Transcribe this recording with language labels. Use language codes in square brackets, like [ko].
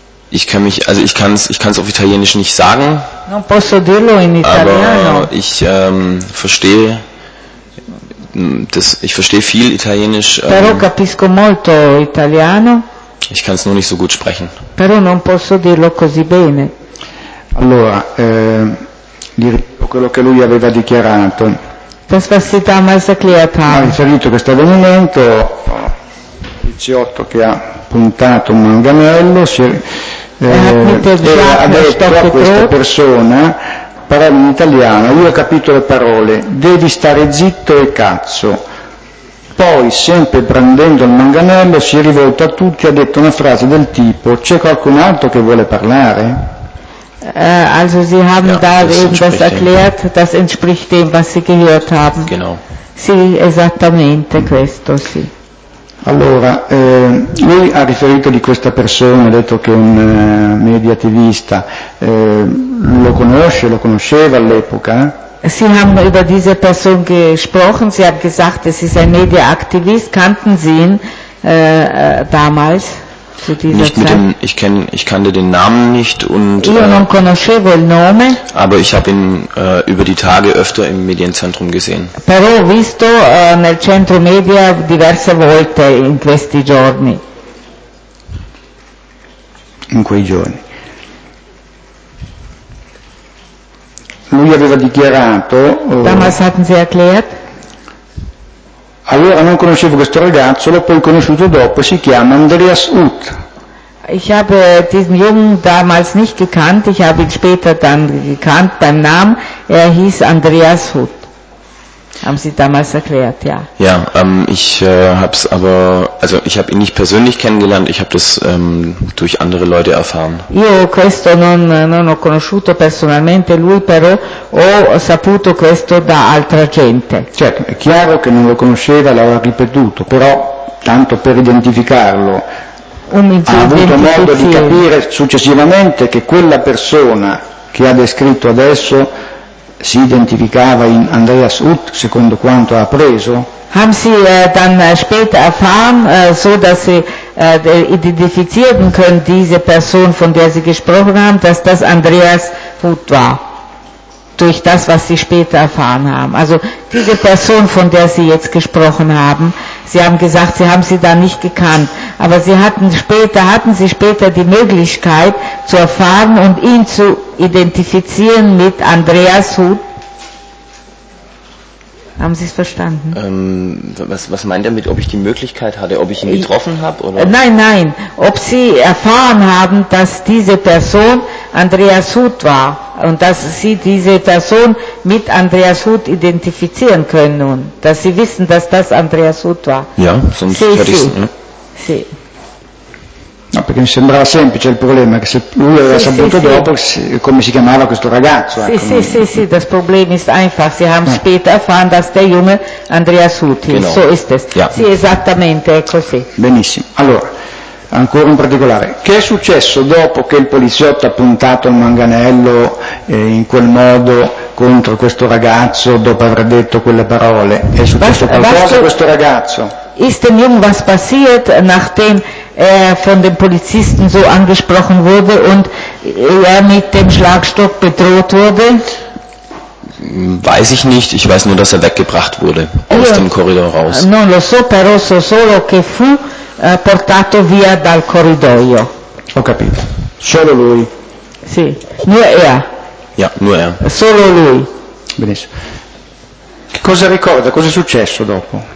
[de] Ich kann es auf Italienisch nicht sagen. [it] Non posso dirlo in italiano. [de] Aber ich verstehe, das, ich verstehe viel Italienisch. [it] Però capisco molto italiano. [de] Ich kann es nur nicht so gut sprechen. [it] Però non posso dirlo così bene. Allora, direi quello che lui aveva dichiarato. [de] Das, was sie damals erklärt haben. [it] Ha riferito questo avvenimento, il C8 che ha puntato un manganello, si, era, ha detto a questa persona, parola in italiano, io ho capito le parole, devi stare zitto e cazzo. Poi, sempre brandendo il manganello, si è rivolto a tutti e ha detto una frase del tipo, c'è qualcun altro che vuole parlare? [de] Also Sie haben ja, da eben das erklärt, dem, das entspricht dem, was Sie gehört haben. Genau. [it] Sì, esattamente questo, sì. Allora, lui ha riferito di questa persona, ha detto che è un mediativista, lo conosce, lo conosceva all'epoca? [de] Sie haben über diese Person gesprochen, Sie haben gesagt, es ist ein Mediaaktivist, kannten Sie ihn damals? Nicht mit dem, ich kannte den Namen nicht und [it] io non conoscevo il nome, [de] aber ich habe ihn über die Tage öfter im Medienzentrum gesehen. [it] Però ho visto nel centro media diverse volte in questi giorni. In quei giorni. Lui aveva dichiarato. [de] Damals hatten sie erklärt. [it] Allora non conoscevo questo ragazzo, l'ho poi conosciuto dopo, si chiama Andreas Uth. [de] Ich habe diesen Jungen damals nicht gekannt, ich habe ihn später dann gekannt beim Namen, er hieß Andreas Uth. Haben Sie damals erklärt, ja. Ja, ich habe es aber, also ich habe ihn nicht persönlich kennengelernt, ich habe das durch andere Leute erfahren. [it] Io questo non ho conosciuto personalmente lui, però ho saputo questo da altra gente. Certo, è chiaro che non lo conosceva, l'aveva ripetuto, però tanto per identificarlo, ha avuto modo di capire successivamente che quella persona che ha descritto adesso si identificava in Andreas Uth, secondo quanto ha preso? [de] Haben Sie dann später erfahren, so dass Sie identifizieren können, diese Person, von der Sie gesprochen haben, dass das Andreas Uth war, durch das, was Sie später erfahren haben. Also diese Person, von der Sie jetzt gesprochen haben, Sie haben gesagt, Sie haben sie da nicht gekannt, aber Sie hatten Sie später die Möglichkeit zu erfahren und ihn zu identifizieren mit Andreas Uth. Haben Sie es verstanden? Was meint er mit, ob ich die Möglichkeit hatte, ob ich ihn getroffen habe? Nein, ob Sie erfahren haben, dass diese Person Andreas Uth war und dass Sie diese Person mit Andreas Uth identifizieren können nun, dass Sie wissen, dass das Andreas Uth war. Ja, sonst hätte ich es... [it] Sì. No, perché mi sembrava semplice il problema, che se lui aveva saputo dopo come si chiamava questo ragazzo. [de] Sì, das Problem ist einfach, Sie haben später erfahren, dass der Junge Andreas Uth ist. Genau. So ist es. Ja. [it] Sì, esattamente, è così. Benissimo. Allora, ancora un particolare. Che è successo dopo che il poliziotto ha puntato il manganello in quel modo contro questo ragazzo dopo aver detto quelle parole? È successo qualcosa a questo ragazzo? Ist dem Jungen was passiert, nachdem er von dem Polizisten so angesprochen wurde und er mit dem Schlagstock bedroht wurde? Weiß ich nicht, ich weiß nur, dass er weggebracht wurde, aus dem Korridor raus. Non lo so, però so solo che fu portato via dal corridoio. Ho capito, solo lui. [de] Sì, nur er. Ja, nur er. [it] Solo lui. Benissimo. Che cosa ricorda, cosa è successo dopo?